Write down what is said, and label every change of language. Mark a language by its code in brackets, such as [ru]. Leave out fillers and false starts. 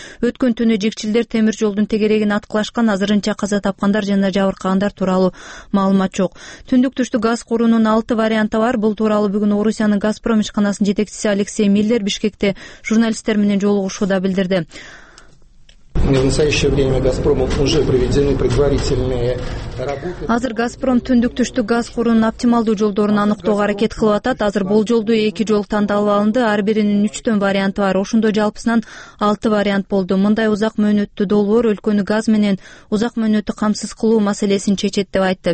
[ky] Өткөн түнү жикчилдер темир жолдун тегерегин аткылашкан, азырынча каза тапкандар жана жабыркагандар тууралуу маалымат жок. Түндүк-түштүк газ куруунун 6 варианты бар. Бул тууралуу бүгүн Орусиянын Газпром ишканасынын жетекчиси Алексей Миллер Бишкекте журналисттер менен жолугушууда билдирди. [ru] В настоящее время Газпромом уже проведены предварительные работы. [ky] Азыр Газпром түндүк-түштүк газ куруунун оптималдуу жолдорун аныктоого аракет кылып атат. Азыр бул жолдо 2 жол тандалып алынды. Ар биринин 3-төн варианты бар. Ошондой жалпысынан 6 вариант болду. Мындай узак мөөнөттүү долбоор өлкөнү газ менен узак мөөнөттү камсыз кылуу маселесин чечет деп айтты.